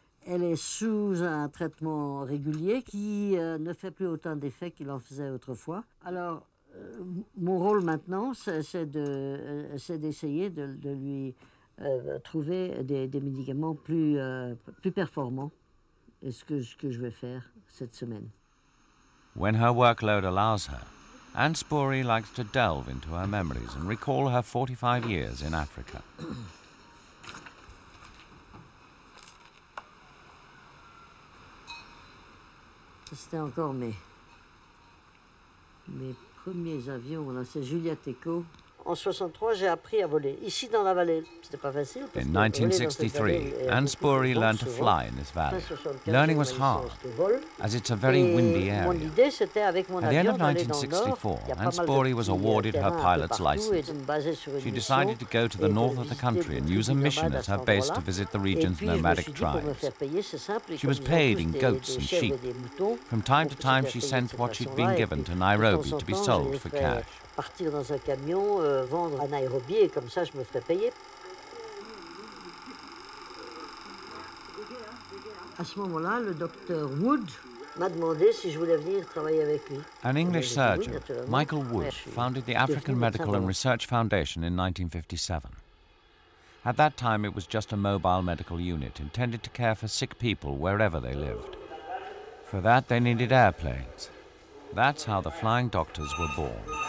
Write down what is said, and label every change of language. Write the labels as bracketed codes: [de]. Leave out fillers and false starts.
[fr] Elle est sous un traitement régulier qui ne fait plus autant d'effet qu'il en faisait autrefois. Alors, mon rôle maintenant, c'est d'essayer de lui trouver des médicaments plus performants. Et ce que je vais faire cette semaine. [en] When her workload allows her, Anne Spoerry likes to delve into her memories and recall her 45 years in Africa. [fr] C'était encore mes premiers avions. Voilà, c'est Juliette Echo. En 63, j'ai appris à voler ici dans la vallée. C'était pas facile. [en] In 1963, Anne Spoerry learned to fly in this valley. Learning was hard, as it's a very windy area. [fr] Mon idée, c'était avec mon avion. [en] At the end of 1964, Anne Spoerry was awarded her pilot's license. She decided to go to the north of the country and use a mission as her base to visit the region's nomadic tribes. She was paid in goats and sheep. From time to time, she sent what she'd been given to Nairobi to be sold for cash. [fr] Partir dans un camion, vendre à Nairobi, et comme ça, je me ferais payer. À ce moment-là, le docteur Wood m'a demandé si je voulais venir travailler avec lui. [en] An English surgeon, Michael Wood, founded the African Medical and Research Foundation in 1957. At that time, it was just a mobile medical unit intended to care for sick people wherever they lived. For that, they needed airplanes. That's how the flying doctors were born.